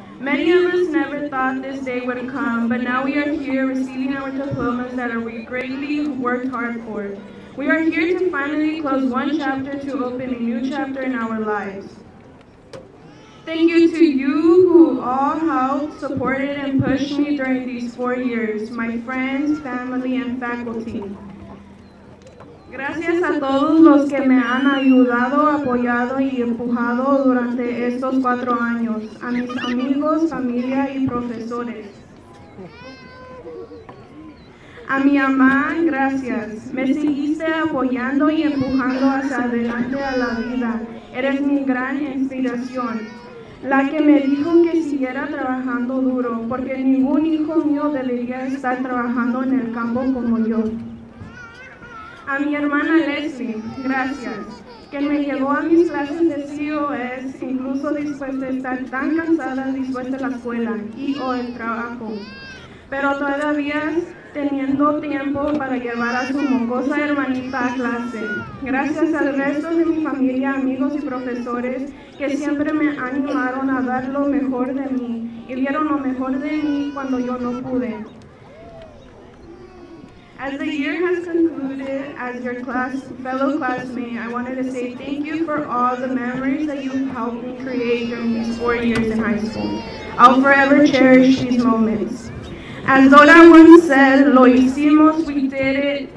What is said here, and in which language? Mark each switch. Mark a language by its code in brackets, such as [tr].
[en] Many of us never thought this day would come, but now we are here receiving our diplomas that we greatly worked hard for. We are here to finally close one chapter to open a new chapter in our lives. Thank you to you who all helped, supported, and pushed me during these 4 years, my friends, family, and faculty. [es] Gracias a todos los que me han ayudado, apoyado, y empujado durante estos 4 años, a mis amigos, familia, y profesores. A mi mamá, gracias. Me seguiste apoyando y empujando hacia adelante a la vida. Eres mi gran inspiración. La que me dijo que siguiera trabajando duro, porque ningún hijo mío debería estar trabajando en el campo como yo. A mi hermana Leslie, gracias, que me llevó a mis clases de COS, incluso después de estar tan cansada después de la escuela y o el trabajo, pero todavía teniendo tiempo para llevar a su mocosa hermanita a clase. Gracias al resto de mi familia, amigos y profesores que siempre me animaron a dar lo mejor de mí y dieron lo mejor de mí cuando yo no pude. [en] As the year has concluded, as your class, fellow classmate, I wanted to say thank you for all the memories that you helped me create during these 4 years in high school. I'll forever cherish these moments. As Dora once said, [es] lo hicimos, [en] we did it.